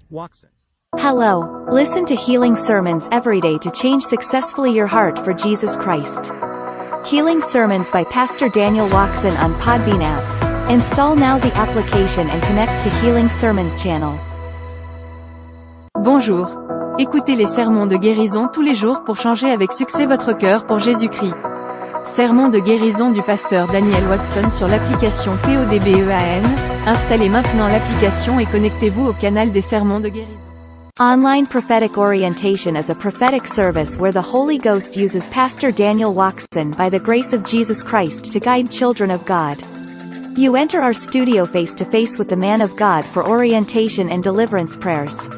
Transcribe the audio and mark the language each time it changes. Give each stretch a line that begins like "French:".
English: Watson. Hello. Listen to Healing Sermons every day to change successfully your heart for Jesus Christ. Healing Sermons by Pastor Daniel Watson on Podbean app. Install now the application and connect to Healing Sermons channel.
French: Bonjour. Écoutez les sermons de guérison tous les jours pour changer avec succès votre cœur pour Jésus-Christ. Sermon de guérison du pasteur Daniel Watson sur l'application PODBEAN. Installez maintenant l'application et connectez-vous au canal des sermons de guérison.
English: Online prophetic orientation is a prophetic service where the Holy Ghost uses Pastor Daniel Watson by the grace of Jesus Christ to guide children of God. You enter our studio face to face with the man of God for orientation and deliverance prayers.